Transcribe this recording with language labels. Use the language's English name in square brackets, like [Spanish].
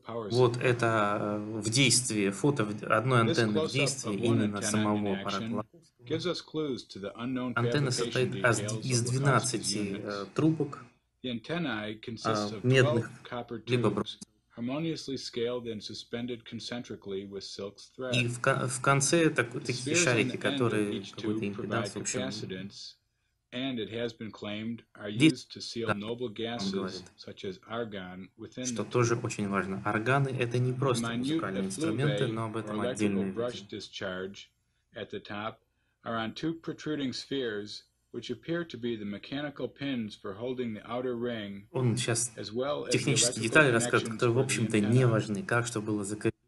[Russian] Вот это в действии, фото одной антенны в действии именно самого аппарата Лаковского. Антенна состоит из 12 трубок медных, либо бронзовых. [English] Harmoniously scaled and suspended concentrically with silk thread. [Russian] И в конце такие шарики, которые какой-то импеданс, в общем, [English] and it has been claimed are used to seal noble gases such as argon within. [Russian] Что тоже очень важно. Органы — это не просто музыкальные инструменты, но об этом отдельно. [English] Brush discharge at the top are on two protruding spheres, which appear to be the mechanical pins for holding the outer ring. [Russian] Он сейчас технические детали рассказывает, которые, в общем-то, не важны. Как что было закреплено?